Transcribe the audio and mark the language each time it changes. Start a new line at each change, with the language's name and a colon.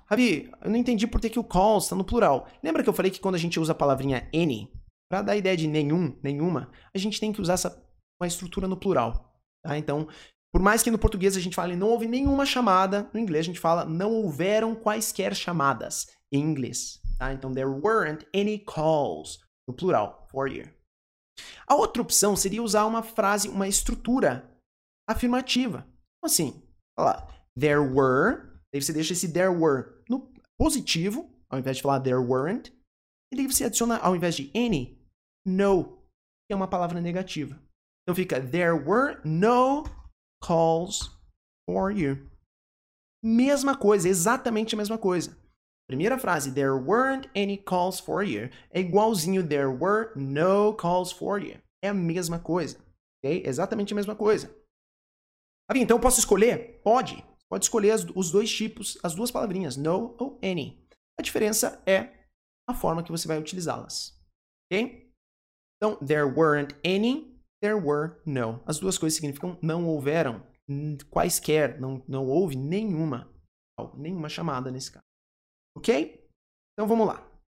Portuguese: Ravi, eu não entendi por que o calls está no plural. Lembra que eu falei que quando a gente usa a palavrinha any, para dar ideia de nenhum, nenhuma, a gente tem que usar essa uma estrutura no plural. Tá? Então, Por mais que no português a gente fale não houve nenhuma chamada, no inglês a gente fala não houveram quaisquer chamadas em inglês. Tá?
English: Então, there weren't any calls,
Portuguese: no plural,
English: for you.
Portuguese: A outra opção seria usar uma frase, uma estrutura afirmativa. Assim, olha lá,
English: there were,
Portuguese: aí você deixa esse there were no positivo, ao invés de falar
English: there weren't,
Portuguese: e daí você adiciona, ao invés de any, no, que é uma palavra negativa.
English: Então fica, there were no calls for you.
Portuguese: Mesma coisa, exatamente a mesma coisa. Primeira frase,
English: there weren't any calls for you,
Portuguese: é igualzinho,
English: there were no calls for you.
Portuguese: É a mesma coisa, ok? Exatamente a mesma coisa. Ah, então eu posso escolher? Pode. Pode escolher os dois tipos, as duas palavrinhas, no ou any. A diferença é a forma que você vai utilizá-las, ok?
English: Então, there weren't any, there were no.
Portuguese: As duas coisas significam não houveram, quaisquer, não houve nenhuma chamada nesse caso. Ok? Então, vamos lá.